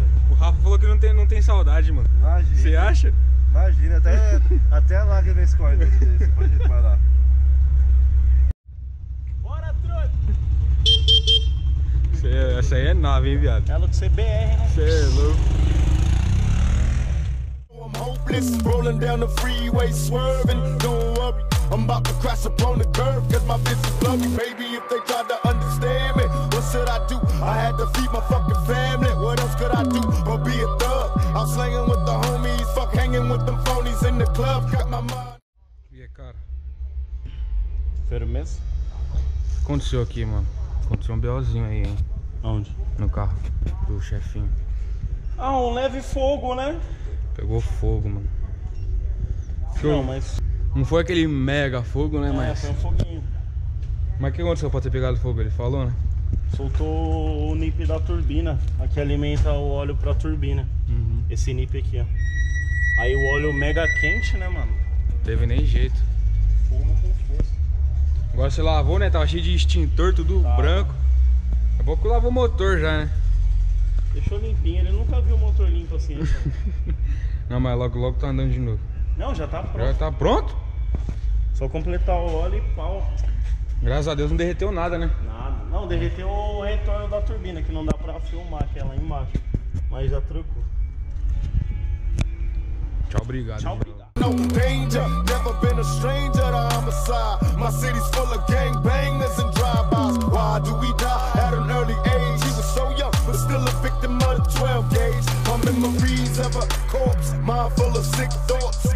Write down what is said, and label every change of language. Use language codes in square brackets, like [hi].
[pt] O Rafa falou que não tem saudade, mano. Imagina. Você acha? Imagina, até a lágrima escorre dele, você pode reparar. Essa aí é nave, hein, viado? Ela do CBR, né? Cê é louco. [en] I'm hopeless, rolling down the freeway, swerving. Don't worry, I'm about to crash upon the curve. Cause my bitch is bloody, baby. If they try to understand me, what should I do? I had to feed my fucking family. What else could I do? Or be a thug? I'm slanging with the homies, fuck hanging with them phonies in the club. Got my mind. Yeah, cara. [pt] Firmeza? O que aconteceu aqui, mano? Aconteceu um BOzinho aí, hein? Aonde? No carro do chefinho. Ah, um leve fogo, né? Pegou fogo, mano. Show. Não, mas... Não foi aquele mega fogo, né? É, mas... foi um foguinho. Mas o que aconteceu pra ter pegado fogo? Ele falou, né? Soltou o nip da turbina, a que alimenta o óleo pra turbina. Uhum. Esse nip aqui, ó. Aí o óleo mega quente, né, mano? Não teve nem jeito. Fumo com força. Agora você lavou, né? Tava cheio de extintor, tudo branco. Acabou que lava o motor já, né? Deixou limpinho, ele nunca viu o motor limpo assim. Então. Não, mas logo tá andando de novo. Não, já tá pronto. Já tá pronto? Só completar o óleo e pau. Graças a Deus não derreteu nada, né? Nada. Não, derreteu o retorno da turbina, que não dá pra filmar aquela embaixo. Mas já trocou. Tchau, obrigado. Tchau, obrigado. [en] No danger, never been a stranger to homicide. My city's full of gangbangers and drive-bys. Why do we die at an early age? He was so young, but still a victim of the 12 gauge. My memories of a corpse, mind full of sick thoughts.